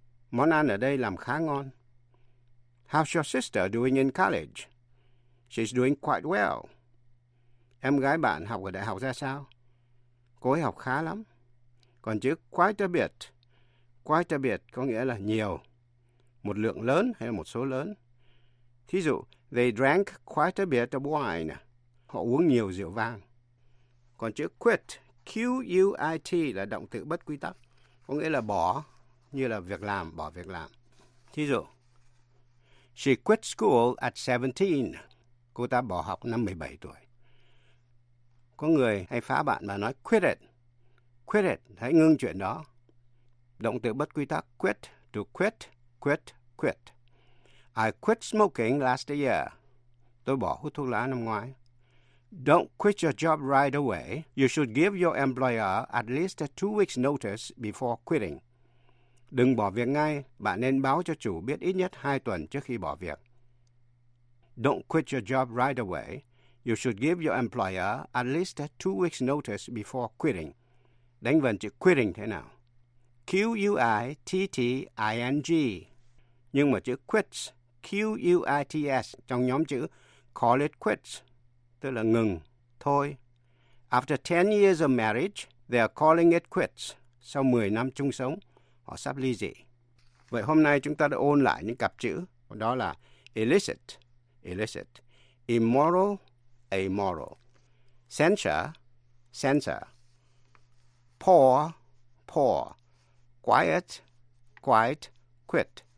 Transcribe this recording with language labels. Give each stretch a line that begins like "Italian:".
Vietnamese: Món ăn ở đây làm khá ngon.
English: How's your sister doing in college? She's doing quite well.
Vietnamese: Em gái bạn học ở đại học ra sao? Cô ấy học khá lắm. Còn chữ quite a bit có nghĩa là nhiều. Một lượng lớn hay một số lớn. Thí dụ,
English: they drank quite a bit of wine.
Vietnamese: Họ uống nhiều rượu vang. Còn chữ quit, Q-U-I-T là động từ bất quy tắc, có nghĩa là bỏ, như là việc làm, bỏ việc làm. Thí dụ,
English: she quit school at 17.
Vietnamese: Cô ta bỏ học năm 17 tuổi. Có người hay phá bạn mà nói quit it. Quit it, hãy ngưng chuyện đó. Động từ bất quy tắc quit, to quit, quit, quit.
English: I quit smoking last year.
Vietnamese: Tôi bỏ hút thuốc lá năm ngoái.
English: Don't quit your job right away. You should give your employer at least 2 weeks notice before quitting.
Vietnamese: Đừng bỏ việc ngay. Bạn nên báo cho chủ biết ít nhất 2 tuần trước khi bỏ việc.
English: Don't quit your job right away. You should give your employer at least 2 weeks notice before quitting.
Vietnamese: Đánh vần chữ quitting thế nào?
English: Q-U-I-T-T-I-N-G.
Vietnamese: Nhưng mà chữ quits, Q-U-I-T-S, trong nhóm chữ call it quits, tức là ngừng, thôi.
English: After 10 years of marriage, they are calling it quits.
Vietnamese: Sau 10 năm chung sống, họ sắp ly dị. Vậy hôm nay chúng ta đã ôn lại những cặp chữ, đó là illicit, illicit, immoral, amoral, censure, censor, poor, poor, quiet, quiet, quit.